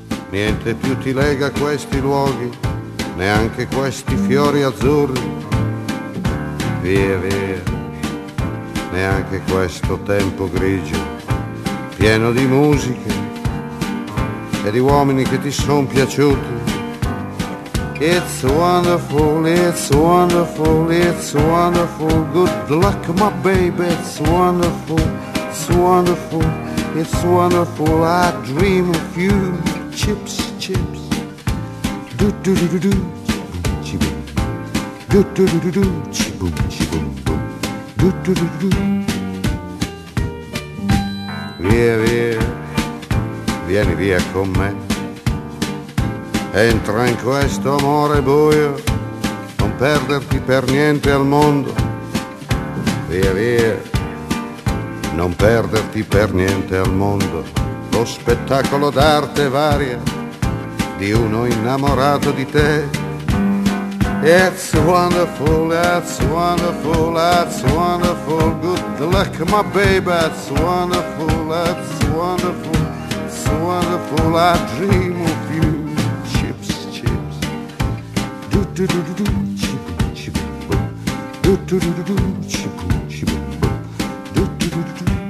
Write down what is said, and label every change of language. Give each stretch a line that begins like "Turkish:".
Italian: Niente più ti lega a questi luoghi, neanche questi fiori azzurri. Via, via, neanche questo tempo grigio pieno di musiche e di uomini che ti sono piaciuti.
English: It's wonderful, it's wonderful, it's wonderful, good luck my baby, it's wonderful, it's wonderful, it's wonderful, I dream of you, chips, chips, do do do do do, chibum, do do do do do, chibum, chibum, boom, do do do do do.
Italian: Via, via, vieni via con me. Entra in questo amore buio, non perderti per niente al mondo. Via, via, non perderti per niente al mondo. Lo spettacolo d'arte varia di uno innamorato di te.
English: It's wonderful, that's wonderful, that's wonderful, good luck my baby, that's wonderful, it's wonderful, I dream of you, chips, chips, do do do do do, chip, chip, do do do do do, chip, chip, do do do do.